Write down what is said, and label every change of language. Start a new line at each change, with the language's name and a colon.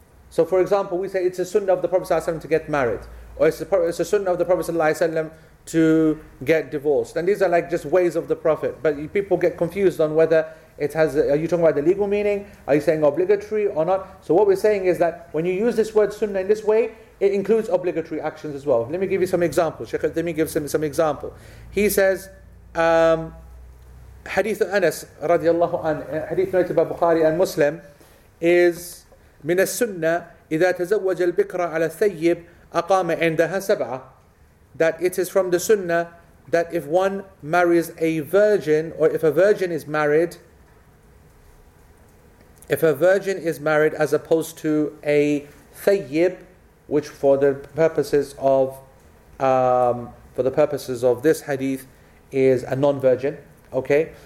English: So for example, we say it's a Sunnah of the Prophet ﷺ to get married. Or it's a Sunnah of the Prophet ﷺ to get divorced. And these are like just ways of the Prophet. But people get confused on whether... it has. Are you talking about the legal meaning? Are you saying obligatory or not? So what we're saying is that when you use this word sunnah in this way, it includes obligatory actions as well. Let me give you some examples. Sheikh Uthaymeen gives him some example. He says, Hadith Anas radiallahu anhu, Hadith narrated by Bukhari and Muslim, is
Arabic: من السنة إذا تزوج البكرة على الثيب أقام عندها سبعة.
English: That it is from the sunnah that if one marries a virgin, or if a virgin is married, if a virgin is married as opposed to a thayyib, which for the purposes of this hadith is a non-virgin, okay?